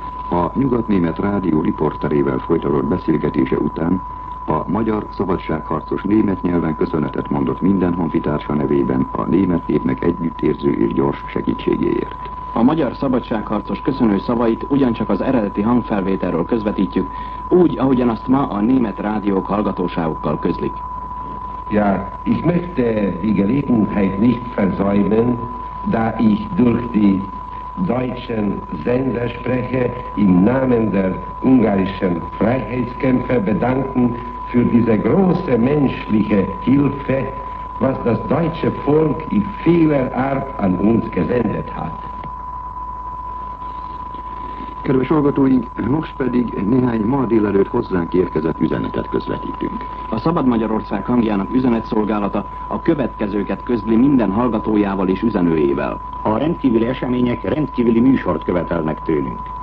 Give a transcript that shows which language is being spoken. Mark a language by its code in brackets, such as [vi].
[hu] A nyugat-német rádió riporterével folytatott beszélgetése után a magyar szabadságharcos német nyelven köszönetet mondott minden honfitársa nevében a német népnek együttérző és gyors segítségéért. A magyar szabadságharcos köszönő szavait ugyancsak az eredeti hangfelvételről közvetítjük, úgy, ahogyan azt ma a német rádiók hallgatóságukkal közlik. [de] Ja, ich möchte die Gelegenheit nicht versäumen, da ich durch die deutschen Sender spreche, im Namen der ungarischen Freiheitskämpfer bedanken für diese große menschliche Hilfe, was das deutsche Volk in vieler Art an uns gesendet hat. [hu] Kedves hallgatóink, most pedig néhány ma délelőtt hozzánk érkezett üzenetet közvetítünk. A Szabad Magyarország hangjának üzenetszolgálata a következőket közli minden hallgatójával és üzenőjével. A rendkívüli események rendkívüli műsort követelnek tőlünk.